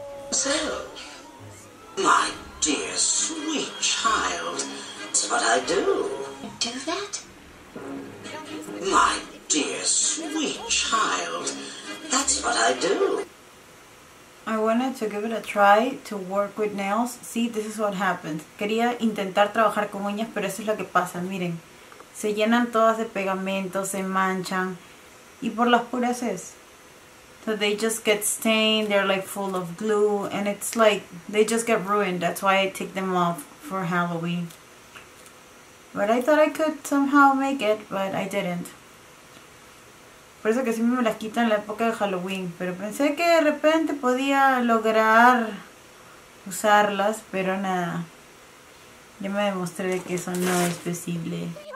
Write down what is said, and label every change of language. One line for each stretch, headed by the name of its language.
English: So, my dear sweet child, that's what I do. Do that? My dear sweet child, that's what I do. I wanted to give it a try to work with nails. See, this is what happens.
Spanish: Quería intentar trabajar con uñas, pero eso es lo que pasa. Miren, se llenan todas de pegamento, se manchan. Y por las pureces.
English: So they just get stained, they're like full of glue, and it's like they just get ruined. That's why I take them off for Halloween. But I thought I could somehow make it, but I didn't.
Spanish: Por eso que siempre me las quitan en la época de Halloween. Pero pensé que de repente podía lograr usarlas. Pero nada. Ya me demostré que eso no es posible.